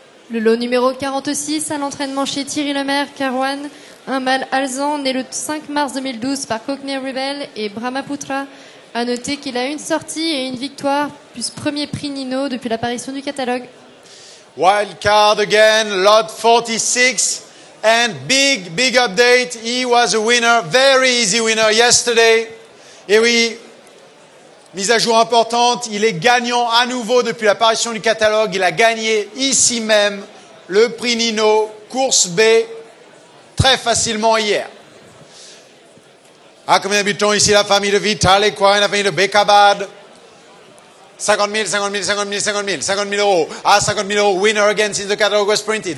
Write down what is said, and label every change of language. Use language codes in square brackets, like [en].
[fr] Le lot numéro 46 à l'entraînement chez Thierry Lemaire, Carouane. Un mâle alzan né le 5 mars 2012 par Cockney Rebel et Brahmaputra. A noter qu'il a une sortie et une victoire, plus premier prix Nino depuis l'apparition du catalogue. [en] Wild card again, lot 46, and big, big update. He was a winner, very easy winner yesterday. [fr] Et oui, mise à jour importante, il est gagnant à nouveau depuis l'apparition du catalogue. Il a gagné ici même le prix Nino, course B, très facilement hier. À combien de butons ici la famille de Vitaly Quine, la famille de Bekabad? 50 000 euros. À 50 000 euros, [en] winner again since the catalog was printed.